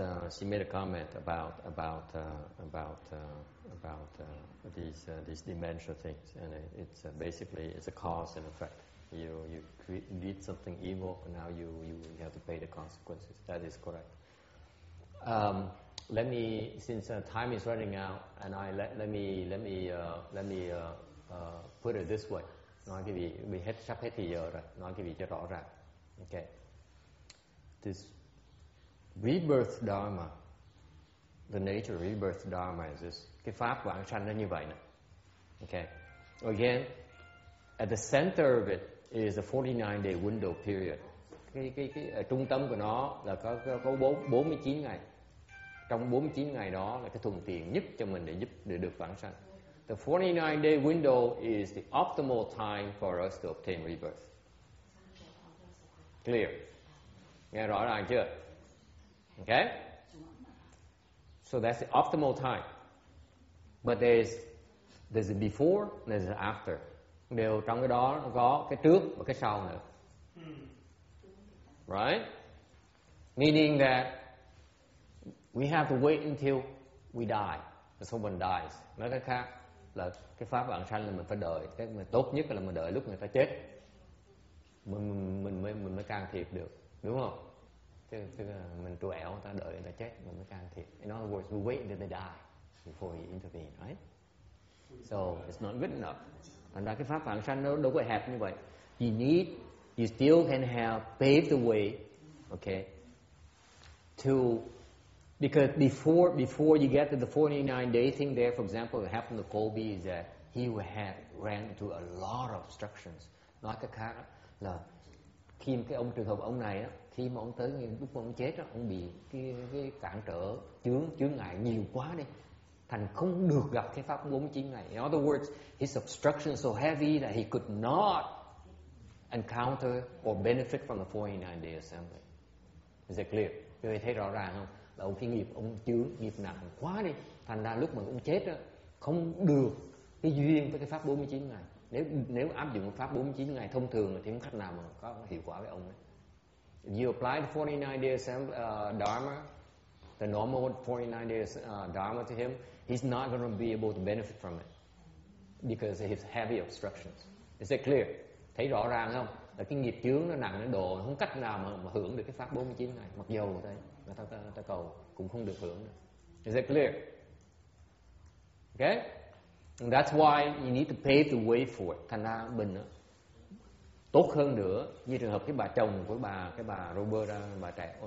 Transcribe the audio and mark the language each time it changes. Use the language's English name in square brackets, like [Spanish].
[English] She made a comment about these dementia things, and it's basically a cause and effect. You did something evil, and now you have to pay the consequences. That is correct. Since time is running out, and let me put it this way. [Vietnamese] Nói cái gì bị hết sắp hết thì giờ rồi, nói cái gì cho rõ ràng. Okay. [English] This rebirth dharma, the nature of rebirth dharma is this. [Vietnamese] Cái pháp vãng sanh nó như vậy nè. [English] Okay. Again, at the center of it is a 49-day window period. [Vietnamese] Cái trung tâm của nó là có 49 ngày. Trong 49 ngày đó là cái thuận tiện nhất cho mình để giúp để được vãng sanh. [English] The 49-day window is the optimal time for us to obtain rebirth. Clear? [Vietnamese] Nghe rõ ràng chưa? Okay? [English] So that's the optimal time. But there's a before, there's an after. [Vietnamese] Đều trong cái đó nó có cái trước và cái sau nữa. [English] Right? Meaning that we have to wait until we die. When someone dies. [Vietnamese] Nói cách khác là cái pháp vãng sanh là mình phải đợi, cái mà tốt nhất là mình đợi lúc người ta chết mình mới can thiệp được, đúng không? Tức là mình trù ẻo, ta đợi người ta chết mình mới can thiệp. [English] In other words, we wait until they die before we intervene, right? So it's not good enough. [Vietnamese] Thành ra cái pháp vãng sanh nó đâu có hẹp như vậy. [English] You still can have pave the way, okay? Because before you get to the 49-day thing there, for example, what happened to Kobe is that he had ran into a lot of obstructions. [Vietnamese] Nói cách khác là khi cái ông trường hợp ông này á, khi mà ông tới lúc ông chết á, ông bị cái cản trở chướng ngại nhiều quá đi, thành không được gặp cái pháp 49 ngày. [English] In other words, his obstruction so heavy that he could not encounter or benefit from the 49-day assembly. Is that clear? [Vietnamese] Các vị thấy rõ ràng không? Ông khi nghiệp ông chướng nghiệp nặng quá đi, thành ra lúc mà ông chết đó, không được cái duyên với cái pháp 49 ngày. Nếu áp dụng pháp 49 ngày thông thường thì không cách nào mà có hiệu quả với ông ấy. [English] If you apply the 49-day dharma, the normal 49-day dharma to him, he's not going to be able to benefit from it because of his heavy obstructions. Is that clear? [Vietnamese] Thấy rõ ràng không? Là cái nghiệp chướng nó nặng, nó đồ, không cách nào mà hưởng được cái pháp 49 ngày, mặc dù thế. Ta cầu cũng không được hưởng được. [English] Is that clear? Okay? And that's why you need to pave the way for it. [Vietnamese] Thành ra mình đó, tốt hơn nữa, như trường hợp cái bà chồng của bà, cái bà Roberta, bà trẻ.